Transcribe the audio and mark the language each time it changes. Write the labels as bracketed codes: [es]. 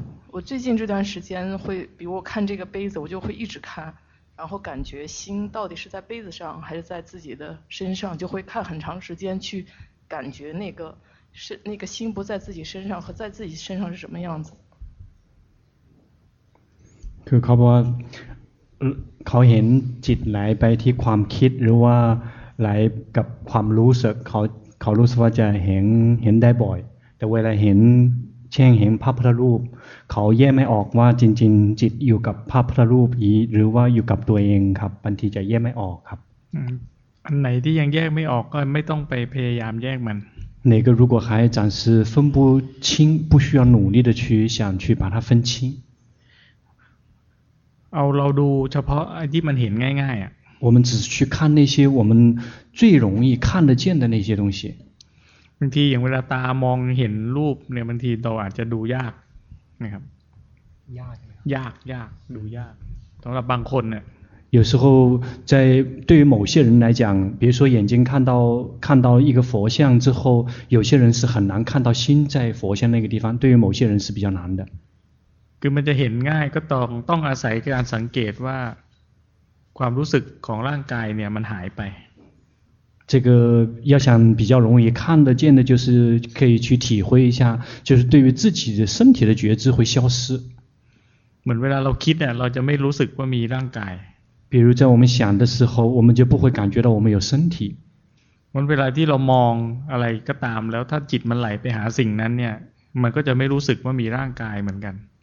[zh] 我最近这段时间会比如我看这个杯子我就会一直看然后感觉心到底是在杯子上还是在自己的身上就会看很长时间去感觉那个是那个心不在自己身上和在自己身上是什么样子 [th] คือเขาบอกว่าเขาเห็นจิตไหลไปที่ความคิดหรือว่าไหลกับความรู้สึกเขารู้สึกว่าจะเห็นได้บ่อยแต่เวลาเห็นเช่นเห็นภาพพระรูปเขาแยกไม่ออกว่าจริงๆจิตอยู่กับภาพพระรูปหรือว่าอยู่กับตัวเองครับบางทีจะแยกไม่ออกครับ อันไหนที่ยังแยกไม่ออกก็ไม่ต้องไปพยายามแยกมัน [zh] 哪个如果还暂时分不清不需要努力的去想去把它分清 [th] เอาเราดูเฉพาะที่มันเห็นง่ายๆอ่ะ [zh] 我们只去看那些我们最容易看得见的那些东西 [th] บางทีอย่างเวลาตามองเห็นรูปเนี่ยบางทีเราอาจจะดูยากนะครับ ยาก ยากยากดูยากสำหรับบางคนเนี่ย [zh] 有时候在对于某些人来讲比如说眼睛看到一个佛像之后有些人是很难看到心在佛像那个地方对于某些人是比较难的 [th] คือมันจะเห็นง่ายก็ต้องอาศัยการสังเกตว่าความรู้สึกของร่างกายเนี่ยมันหายไป [zh] 这个要想比较容易看得见的就是可以去体会一下就是对于自己的身体的觉知会消失 [th] เหมือนเวลาเราคิดเนี่ยเราจะไม่รู้สึกว่ามีร่างกาย [zh] 比如在我们想的时候我们就不会感觉到我们有身体 [th] มันเวลาที่เรามองอะไรก็ตามแล้วถ้าจิตมันไหลไปหาสิ่งนั้นเนี่ยมันก็จะไม่รู้สึกว่ามีร่างกายเหมือนกัน